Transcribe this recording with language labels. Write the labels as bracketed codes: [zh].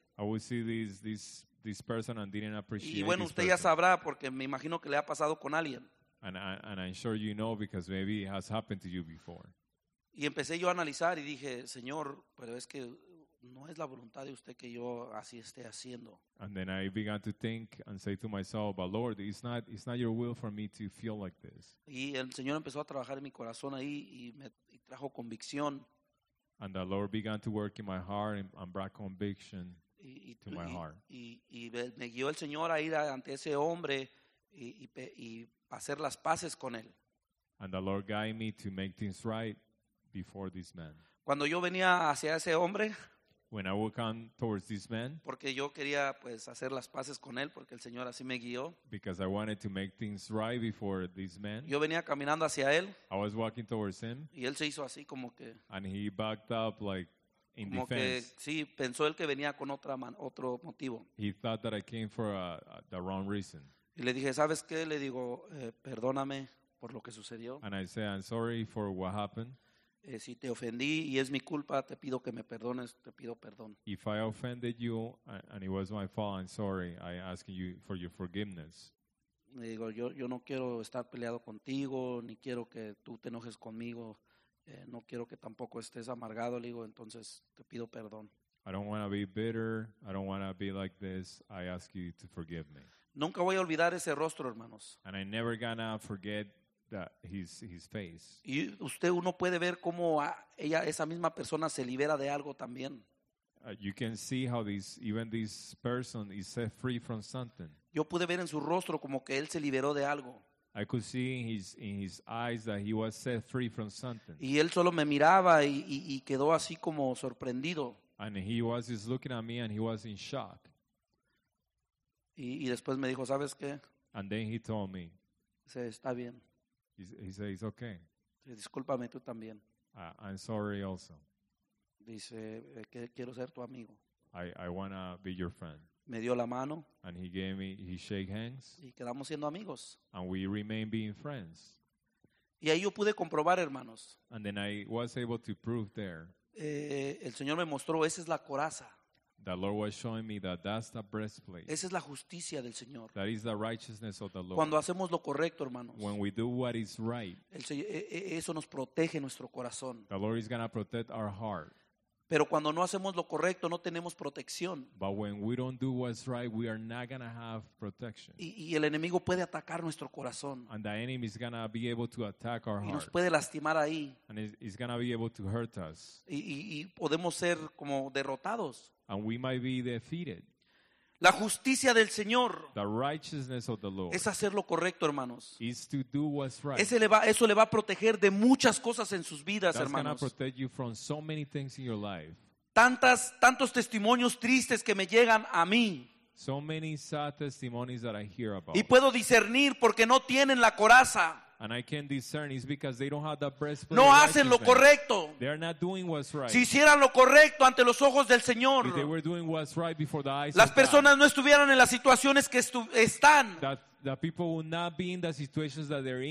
[en] I would see this person and didn't appreciate. [es] Y bueno, [en] this [es] usted [en] person. [es] Ya sabrá, porque me imagino que le ha pasado con alguien. [en] And I'm sure you know, because maybe it has happened to you before. [es] Y empecé yo a analizar y dije, Señor, pero es que no es la voluntad de usted que yo así esté haciendo. [en] And then I began to think and say to myself, but Lord, it's not your will for me to feel like this. [es] Y el Señor empezó a trabajar en mi corazón ahí y trajo convicción. [en] And the Lord began to work in my heart and brought conviction to my heart. [es] Y me guió el Señor a ir ante ese hombre y hacer las paces con él. [en] And the Lord guided me to make things right. Before this man. [es] Cuando yo venía hacia ese hombre, [en] when I would come towards this man, [es] porque yo quería pues hacer las paces con él, porque el Señor así me guió. [en] Because I wanted to make things right before this man. [es] Yo venía caminando hacia él. [en] I was walking towards him. [es] Y él se hizo así como que. [en] And he backed up like in [es] como [en] defense. [es] Que, sí, pensó él que venía con otro motivo. [en] He thought that I came for the wrong reason. [es] Y le dije, ¿sabes qué? Le digo, perdóname por lo que sucedió. [en] And I said, I'm sorry for what happened. [es] Si te ofendí y es mi culpa, te pido que me perdones, te pido perdón. [en] If I offended you and it was my fault, I'm sorry. I'm asking you for your forgiveness. [es] Le digo, yo no quiero estar peleado contigo, ni quiero que tú te enojes conmigo, no quiero que tampoco estés amargado, le digo, entonces te pido perdón. [en] I don't want to be bitter, I don't want to be like this, I ask you to forgive me. [es] Nunca voy a olvidar ese rostro, hermanos. [en] And I'm never gonna forget that his face. [es] Y usted uno puede ver cómo ella, esa misma persona se libera de algo también. [en] You can see how this, even this person is set free from something. [es] Yo pude ver en su rostro como que él se liberó de algo. [en] I could see in his eyes that he was set free from something. [es] Y él solo me miraba y quedó así como sorprendido. [en] And he was just looking at me and he was in shock. [es] Y después me dijo, ¿sabes qué? [en] And then he told me. [es] Dice, está bien. [en] He said, it's okay. [es] Discúlpame tú también. [en] I'm sorry also. [es] Dice, quiero ser tu amigo. [en] I want to be your friend. [es] Me dio la mano. [en] And he shake hands. [es] Y quedamos siendo amigos. [en] And we remain being friends. [es] Y ahí yo pude comprobar, hermanos. [en] And then I was able to prove there. [es] El Señor me mostró, esa es la coraza. [en] The Lord was showing me that that's the breastplate. [es] Esa es la justicia del Señor. [en] That is the righteousness of the Lord. [es] Cuando hacemos lo correcto, hermanos. [en] When we do what is right. [es] Eso nos protege nuestro corazón. [en] The Lord is going to protect our heart. [es] Pero cuando no hacemos lo correcto, no tenemos protección. [en] But when we don't do what's right, we are not going to have protection. [es] Y el enemigo puede atacar nuestro corazón. [en] And the enemy is going to be able to attack our heart. [es] Y nos puede lastimar ahí. [en] And he's going to be able to hurt us. [es] Y podemos ser como derrotados. [en] And we might be defeated. [es] La justicia del Señor. [en] The righteousness of the Lord. [es] Es hacer lo correcto, hermanos. [en] Is to do what's right. [es] Eso le va a proteger de muchas cosas en sus vidas, [en] that's [es] hermanos. [en] That's going to protect you from so many things in your life. [es] Tantos testimonios tristes que me llegan a mí. [en] So many sad testimonies that I hear about. [es] Y puedo discernir porque no tienen la coraza. [en] And I can discern it's because they don't have that breastplate. [es] No hacen lo correcto. [en] They are not doing what's right. [es] Si hicieran lo correcto ante los ojos del Señor. [en] If they were doing what's right before the eyes of God. [es] Las personas no estuvieran en las situaciones que están. [en] The people will not be in the situations that they're in.